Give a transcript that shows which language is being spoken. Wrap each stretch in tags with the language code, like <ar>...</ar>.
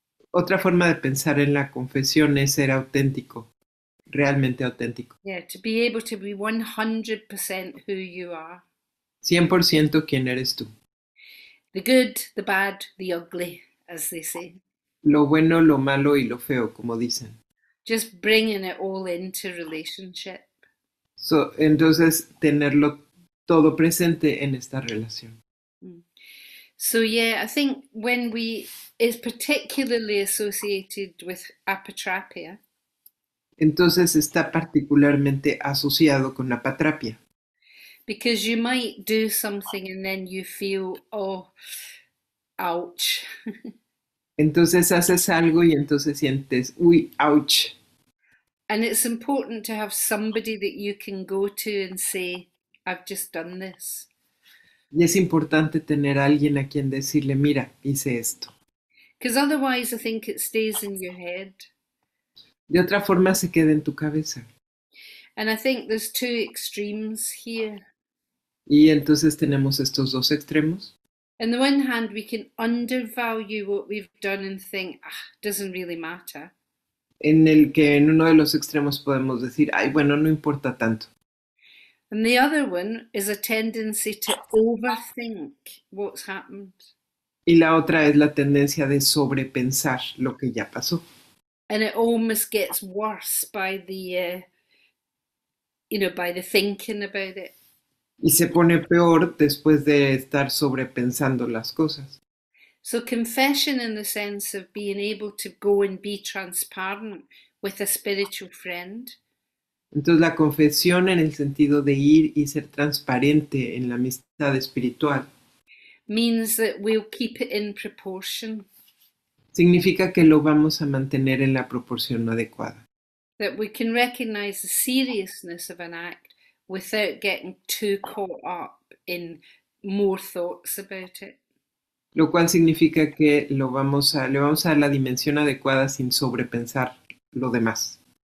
<es>Otra forma de pensar en la confesión es ser auténtico, realmente auténtico.</es> <en>Yeah, to be able to be 100% who you are.</en> <es>100% quién eres tú.</es> <en>The good, the bad, the ugly, as they say.</en> <es>Lo bueno, lo malo y lo feo, como dicen.</es> <en>Just bringing it all into relationship.</en> <es>So, entonces, tenerlo todo presente en esta relación.</es> <en>So yeah, I think when we is particularly associated with apatrapya.</en> <es>Entonces está particularmente asociado con la apatrapya.</es> <en>Because you might do something and then you feel, oh, ouch.</en> <es>Entonces haces algo y entonces sientes, uy, ouch.</es> <en>And it's important to have somebody that you can go to and say, I've just done this.</en> <es>Y es importante tener a alguien a quien decirle, mira, hice esto.</es> <en>Because otherwise I think it stays in your head.</en> <es>De otra forma se queda en tu cabeza.</es> <en>And I think there's two extremes here.</en> <es>Y entonces tenemos estos dos extremos.</es> <en>On the one hand, we can undervalue what we've done and think, ah, doesn't really matter.</en> <es>En el que en uno de los extremos podemos decir, ay, bueno, no importa tanto.</es> <en>And the other one is a tendency to overthink what's happened.</en> <es>Y la otra es la tendencia de sobrepensar lo que ya pasó.</es> <en>And it almost gets worse by the, by the thinking about it.</en> <es>Y se pone peor después de estar sobrepensando las cosas.</es> <en>So confession in the sense of being able to go and be transparent with a spiritual friend.</en> <es>Entonces la confesión en el sentido de ir y ser transparente en la amistad espiritual.</es> <en>Means that we'll keep it in proportion.</en> <es>Significa que lo vamos a mantener en la proporción adecuada.</es> <en>That we can recognize the seriousness of an act without getting too caught up in more thoughts about it.</en> <es>Lo cual significa que le vamos a dar la dimensión adecuada sin sobrepensar lo demás.</es>